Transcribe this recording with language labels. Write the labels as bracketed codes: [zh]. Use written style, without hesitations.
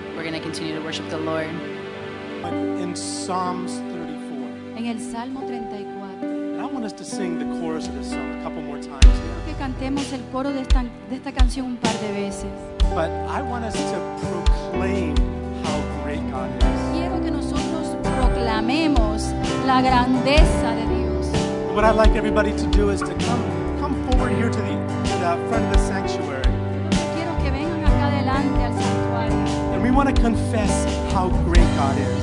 [en] We're going to continue to worship the Lord. In Psalms 34. [es] En el Salmo 34. [en] And I want us to sing the chorus of this song a couple more times. [es] Quiero que cantemos el coro de esta canción un par de veces. [en] But I want us to proclaim how great God is. [es] Quiero que nosotros proclamemos la grandeza de Dios. [en] What I'd like everybody to do is to come forward here to the front of the sanctuary. [es] Quiero que vengan acá adelante al santuario. [en] And we want to confess how great God is.